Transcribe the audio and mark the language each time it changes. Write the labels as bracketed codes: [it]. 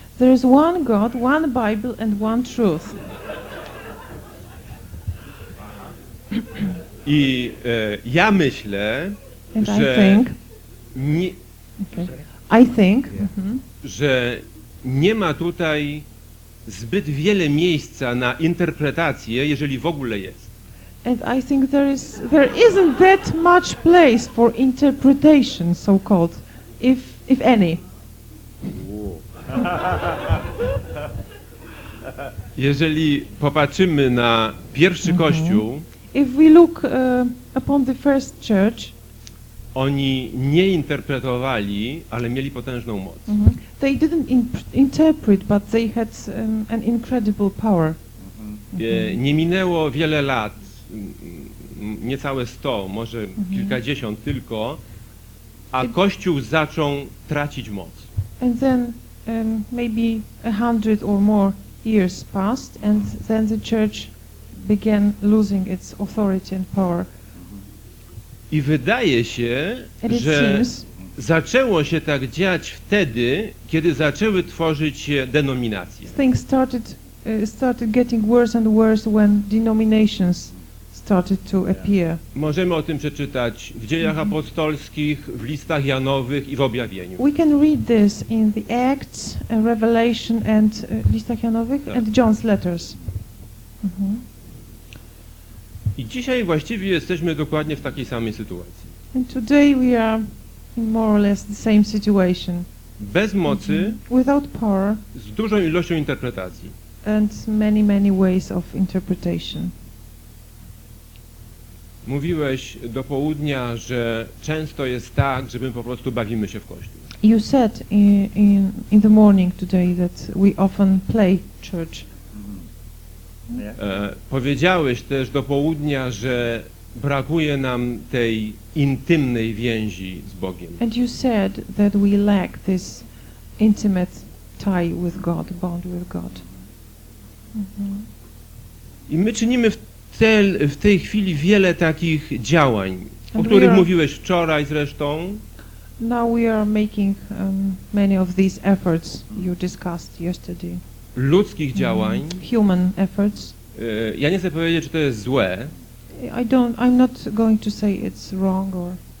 [en] There is one God, one Bible and one truth. [pl] I ja myślę, [en] and [pl] że [en] I think, [pl] że nie ma tutaj zbyt wiele miejsca na interpretację, jeżeli w ogóle jest. [en] And I think there isn't that much place for interpretation, so called, if any. [pl] Jeżeli popatrzymy na pierwszy kościół, [en] if we look upon the first church, [pl] oni nie interpretowali, ale mieli potężną moc. [en] They didn't interpret, but they had an incredible power. [pl] Nie minęło wiele lat, niecałe 100, może kilkadziesiąt tylko, a kościół zaczął tracić moc. [en] And then maybe 100 or more years passed, and then the church began losing its authority and power. [pl] I wydaje się, że zaczęło się tak dziać wtedy, kiedy zaczęły tworzyć się denominacje. [en] Things started getting worse and worse when denominations started to appear. [pl] Możemy o tym przeczytać w Dziejach Apostolskich, w listach Janowych i w Objawieniu. [en] We can read this in the Acts, Revelation and [pl] listach Janowych [en] and John's letters. [pl] I dzisiaj właściwie jesteśmy dokładnie w takiej samej sytuacji. [en] And today we are in more or less the same situation. [pl] Bez mocy, [en] without power, [pl] z dużą ilością interpretacji. [en] And many ways of interpretation. [pl] Mówiłeś do południa, że często jest tak, że my po prostu bawimy się w kościół. [en] You said in the morning today that we often play church. [pl] Powiedziałeś też do południa, że brakuje nam tej intymnej więzi z Bogiem. [en] And you said that we lack this intimate tie with God, bond with God. [pl] I my czynimy w tej chwili wiele takich działań, and o których mówiłeś wczoraj zresztą. [en] Now we are making many of these efforts you discussed yesterday. [pl] Ludzkich działań. [en] Human efforts. [pl] Ja nie chcę powiedzieć, czy to jest złe. [en] I'm not going to say it's wrong or.